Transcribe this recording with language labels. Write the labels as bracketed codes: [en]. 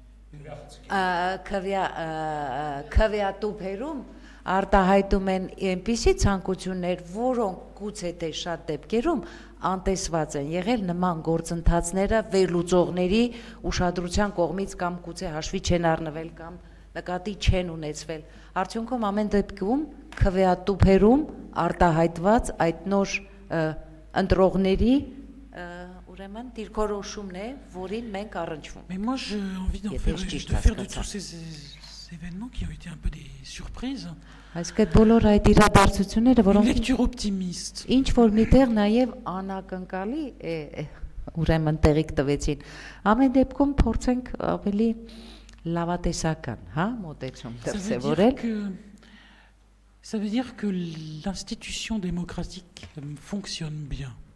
[hy] քվյա տուփերում արտահայտում են այնպիսի ցանկություններ, որոնք գուցե թե շատ դեպքերում անտեսված են եղել նման գործընթացները վերլուծողների ուշադրության կողմից կամ գուցե հաշվի չեն առնվել կամ նկատի չեն ունեցվել։ Արդյունքում ամեն դեպքում քվյա տուփերում արտահայտված այդ նոր ընտրողների ուրեմն դիրքորոշումն է, որին մենք առնչվում։ [fr] Mais moi j'ai envie d'en faire de tous ces événements qui ont été un peu des surprises. [hy] Այսքան բոլոր այդ իրադարձությունները, որոնք [fr] lecture optimist։ [hy] Ինչ որ մի տեղ նաև անակնկալի է, ուրեմն տեղիք տվեցին։ Ամեն դեպքում փորձենք ավելի լավատեսական, հա, մոտեցում դրսևորել։ [fr] Ça veut dire que l'institution démocratique fonctionne bien.